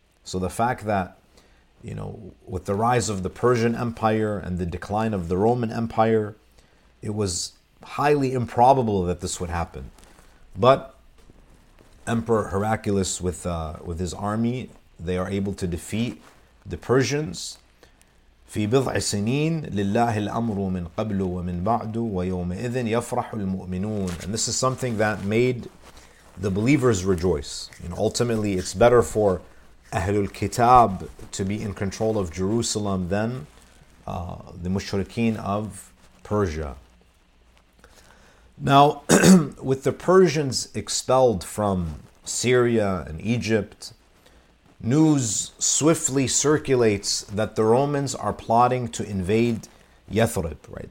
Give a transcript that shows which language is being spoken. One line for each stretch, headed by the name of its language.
English: So the fact that, you know, with the rise of the Persian Empire and the decline of the Roman Empire, it was highly improbable that this would happen. But Emperor Heraclius with his army, they are able to defeat the Persians.
Arabic: في بضع سنين لله الأمر من قبل ومن بعد ويومئذ يفرح المؤمنون.
English: And this is something that made the believers rejoice. And ultimately, it's better for Ahlul Kitab to be in control of Jerusalem than the Mushrikeen of Persia. Now, with the Persians expelled from Syria and Egypt, news swiftly circulates that the Romans are plotting to invade Yathrib. Right?